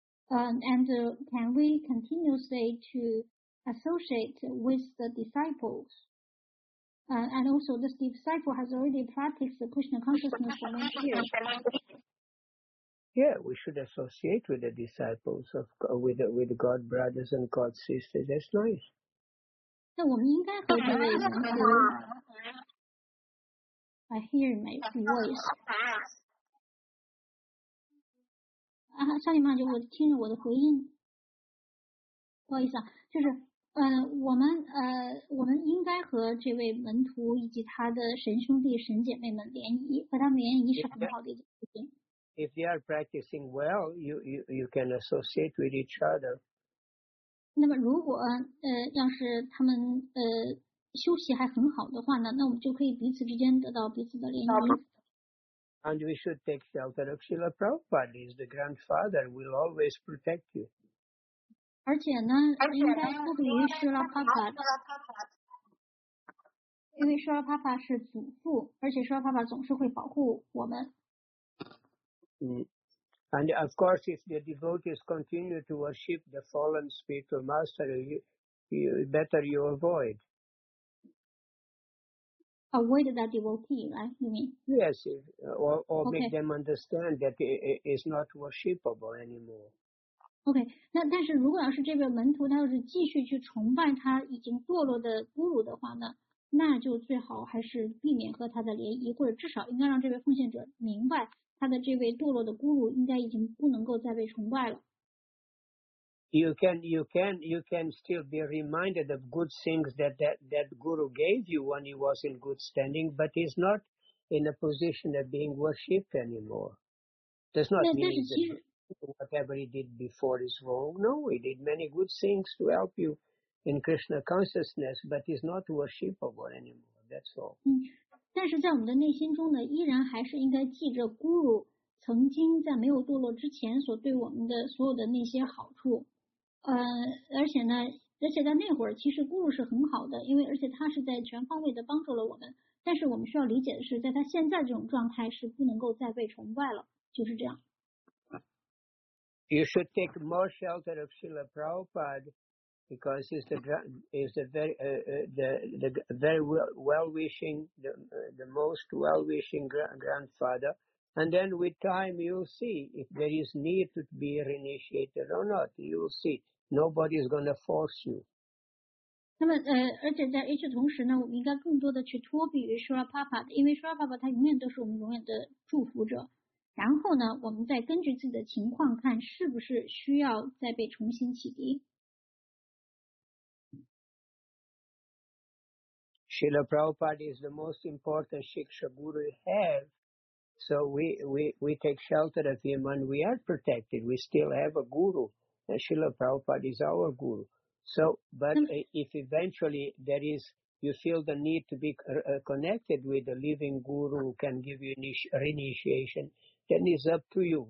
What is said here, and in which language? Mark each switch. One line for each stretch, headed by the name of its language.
English: Can we continuously to associate with the disciples? And also, this disciple has already practiced the Krishna consciousness for many years. Yeah, we should associate with the disciples of with God brothers and God sisters. That's nice.
Chinese: 那我们应该和这位门徒。
English: I hear my voice.
Chinese: 啊，少女妈就我听着我的回音。不好意思啊，就是我们应该和这位门徒以及他的神兄弟神姐妹们联谊，和他们联谊是很好的一件事情。
English: If they are practicing well, you can associate with each other.
Chinese: 那么如果要是他们修习还很好的话呢，那我们就可以彼此之间得到彼此的联谊。
English: And we should take shelter of Srila Prabhupada, he's the grandfather, will always protect you.
Chinese: 而且呢，应该不比于Srila Prabhupada。因为Srila Prabhupada是祖父，而且Srila Prabhupada总是会保护我们。
English: And of course, if the devotees continue to worship the fallen spiritual master, you avoid. Avoid that devotee, right? You mean? Yes, or okay. Make them understand that it is not worshipable anymore.
Chinese: Okay, 那但是如果要是这位门徒他要是继续去崇拜他已经堕落的咕噜的话呢，那就最好还是避免和他的联谊，或者至少应该让这位奉献者明白。他的这位堕落的咕噜应该已经不能够再被崇拜了。
English: You can still be reminded of good things that guru gave you when he was in good standing, but he's not in a position of being worshipped anymore. Does not mean that whatever he did before is wrong. No, he did many good things to help you in Krishna consciousness, but he's not worshipable anymore. That's all.
Chinese: 但是在我们的内心中呢，依然还是应该记着 Guru 曾经在没有堕落之前所对我们的所有的那些好处。而且在那会儿其实 Guru 是很好的，因为而且他是在全方位的帮助了我们，但是我们需要理解的是在他现在这种状态是不能够再被崇拜了，就是这样。
English: You should take more shelter of Srila Prabhupada because he's the most well-wishing grandfather. And then with time, you'll see if there is need to be reinitiated or not. You'll see. Nobody is going to force you.
Chinese: 那么而且在与此同时呢，我们应该更多的去托庇于 Srila Prabhupada， 因为 Srila Prabhupada 他永远都是我们永远的祝福者。然后呢，我们再根据自己的情况看是不是需要再被重新启迪。
English: Srila Prabhupada is the most important Shiksha Guru we have, so we take shelter of him and we are protected. We still have a Guru, and Srila Prabhupada is our Guru. So, but if eventually you feel the need to be connected with a living Guru who can give you reinitiation, then it's up to you.